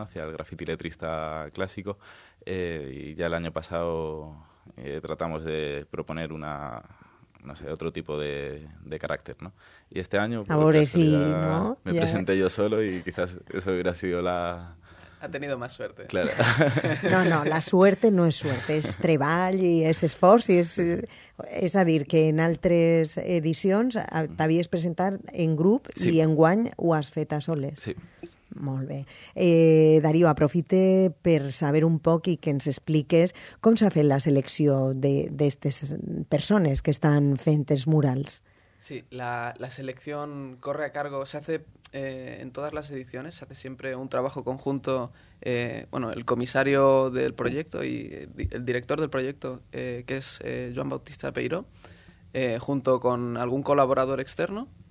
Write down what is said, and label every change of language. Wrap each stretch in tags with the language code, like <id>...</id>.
<es>Hacia el graffiti letrista clásico. Y ya el año pasado tratamos de proponer una... No sé, otro tipo de carácter, ¿no? Y este año... Me presenté yo solo y quizás eso hubiera sido la... Ha tenido más suerte. Claro. No, la suerte no es suerte, es treball y es esfuerzo.</es> <ca>Es decir, que en altres edicions t'havies presentat en grup i en guany ho has fet a soles. Sí. Molt bé. Darío, aprofite per saber un poc i que ens expliques com s'ha fet la selecció d'aquestes persones que estan fent els murals.</ca> <es>Sí, la selecció corre a cargo, se hace en todas las ediciones, se hace siempre un trabajo conjunto, bueno, el comisario del proyecto y el director del proyecto, que es Joan Bautista Peiró, junto con algún colaborador externo.</es>